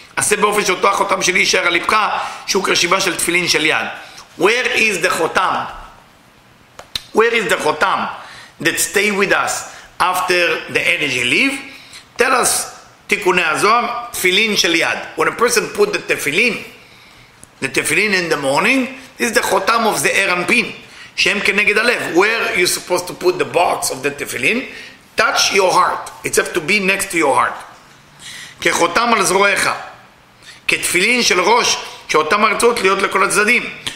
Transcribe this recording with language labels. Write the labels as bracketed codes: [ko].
[he] עשה באופן שאותו החותם שלי יישאר על ליבך שהוא כרשימה של תפילין של יד. [en] Where is the chotam? Where is the chotam that stay with us after the energy leave? Tell us, [he] תיקוני הזוהר, תפילין של יד. [en] When a person put the tefillin in the morning, this is the chotam of the Aaron Pin, [he] שהם כנגד הלב. [en] Where you supposed to put the box of the tefillin? Touch your heart. It's have to be next to your heart. [he] כחותם על זרועיך. כתפילין של ראש שאותם הרצות להיות לכל הצדדים.